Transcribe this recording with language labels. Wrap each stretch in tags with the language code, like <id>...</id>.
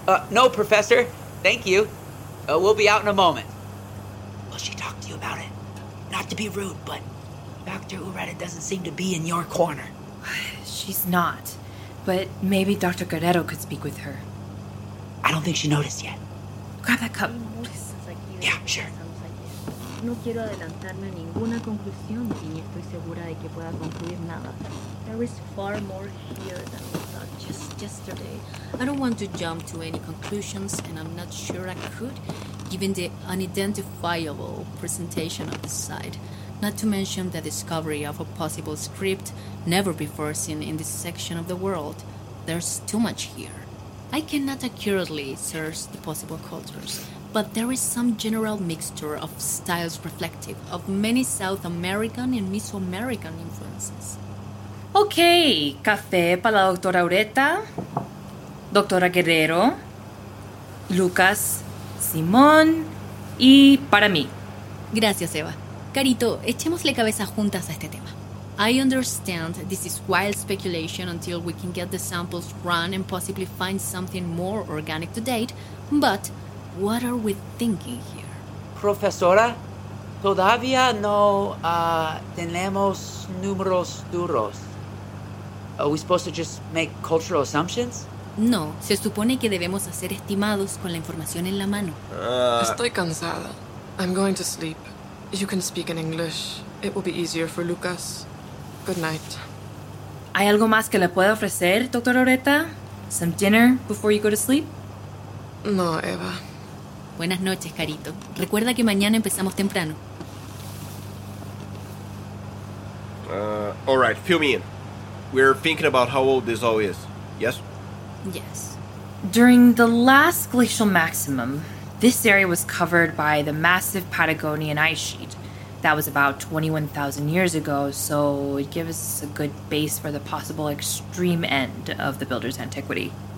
<en>No, Professor. Thank you. We'll be out in a moment. Will she talk to you about it? Not to be rude, but Dr. Ureta doesn't seem to be in your corner. She's not. But maybe Dr. Guerrero could speak with her. I don't think she noticed yet. Grab that cup. Yeah, sure.</en> <es>No quiero adelantarme a ninguna conclusión y ni estoy segura de que pueda concluir nada.</es> <en>There is far more here than we thought just yesterday. I don't want to jump to any conclusions, and I'm not sure I could, given the unidentifiable presentation of the site. Not to mention the discovery of a possible script never before seen in this section of the world. There's too much here. I cannot accurately search the possible cultures, but there is some general mixture of styles reflective of many South American and Mesoamerican influences.</en> <es>Okay, café para la doctora Ureta, doctora Guerrero, Lucas, Simón y para mí. Gracias, Eva. Carito, echémosle cabeza juntas a este tema.</es> <en>I understand this is wild speculation until we can get the samples run and possibly find something more organic to date, but what are we thinking here?</en> <es>Profesora, todavía no tenemos números duros.</es> <en>Are we supposed to just make cultural assumptions?</en> <es>No, se supone que debemos hacer estimados con la información en la mano. Estoy cansada.</es> <en>I'm going to sleep. You can speak in English. It will be easier for Lucas. Good night.</en> <es>¿Hay algo más que le pueda ofrecer, Dr. Ureta?</es> <en>Some dinner before you go to sleep? No, Eva.</en> <es>Buenas noches, Carito. Recuerda que mañana empezamos temprano.</es> <en>All right, fill me in. We're thinking about how old this all is. Yes? Yes. During the last glacial maximum, this area was covered by the massive Patagonian ice sheet. That was about 21,000 years ago, so it gives us a good base for the possible extreme end of the Builder's Antiquity.</en>